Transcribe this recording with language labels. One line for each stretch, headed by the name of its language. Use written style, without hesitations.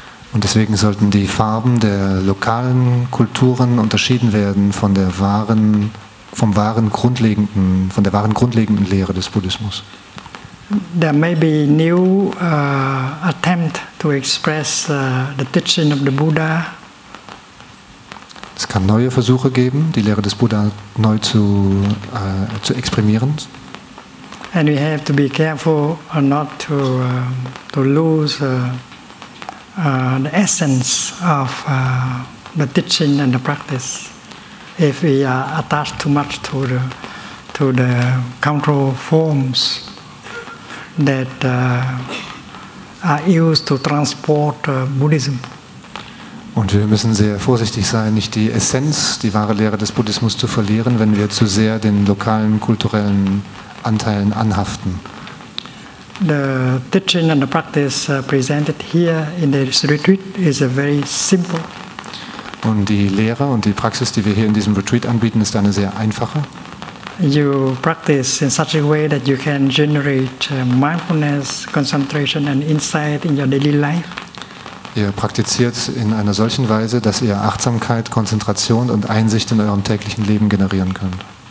German: Und deswegen sollten die Farben der lokalen Kulturen unterschieden werden von der wahren von der wahren grundlegenden Lehre des Buddhismus.
English: There may be new attempt to express the teaching of the Buddha.
German: Es kann neue Versuche geben, die Lehre des Buddha neu zu exprimieren.
English: And we have to be careful not to to lose the essence of the teaching and the practice. If we are attached too much to the cultural forms that are used to transport Buddhism.
German: Und wir müssen sehr vorsichtig sein, nicht die Essenz, die wahre Lehre des Buddhismus zu verlieren, wenn wir zu sehr den lokalen kulturellen Anteilen anhaften.
English: The teaching and the practice presented here in this retreat is a very simple.
German: Und die Lehre und die Praxis, die wir hier in diesem Retreat anbieten, ist eine sehr einfache.
English: You practice in such a way that you can generate mindfulness, concentration and insight in your daily life.
German: Ihr praktiziert in einer solchen Weise, dass ihr Achtsamkeit, Konzentration und Einsicht in eurem täglichen Leben generieren könnt.